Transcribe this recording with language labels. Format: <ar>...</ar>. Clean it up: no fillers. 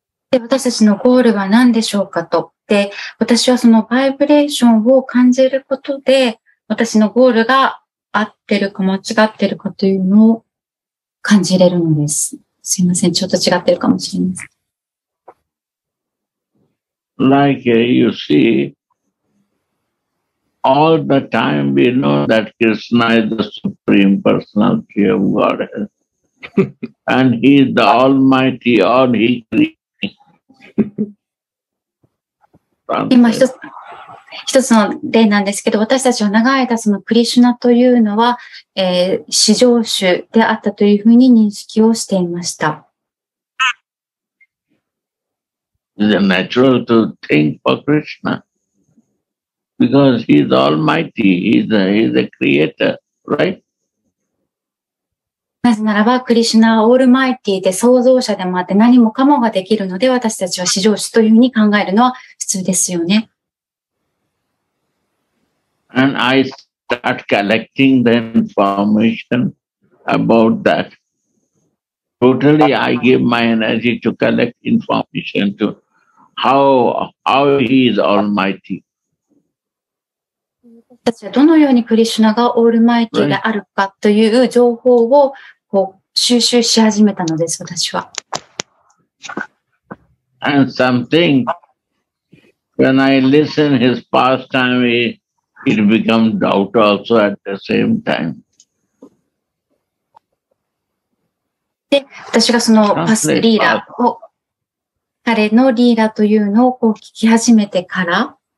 <ja>で、私たちのゴールは何でしょうかと。で、私はそのバイブレーションを感じることで、私のゴールが合ってるか間違ってるかというのを感じれるのです。すいません、ちょっと違ってるかもしれません。</ja> <en>Like you see, all the time we know that Krishna is the Supreme Personality of Godhead. And He is the Almighty, all He creates.</en> <ja>今一つの例なんですけど、私たちは長い間そのクリシュナというのは、至上主であったというふうに認識をしていました。</ja> <en>Is it natural to think for Krishna? Because he is almighty, he is a creator, right?</en> <ja>なぜならば、クリシュナはオールマイティで創造者でもあって何もかもができるので、私たちは至上主というふうに考えるのは普通ですよね。</ja> <en>And I start collecting the information about that. Totally, I give my energy to collect information toHow he is almighty.</en> <ja>私はどのようにクリシュナがオールマイティであるかという情報をこう収集し始めたのです、私は。</ja> <en>And something, when I listen his pastime, it becomes doubt also at the same time.</en> <ja>で、私がそのパスリーダーを彼のリーダーというのをこう聞き始めてから。</ja>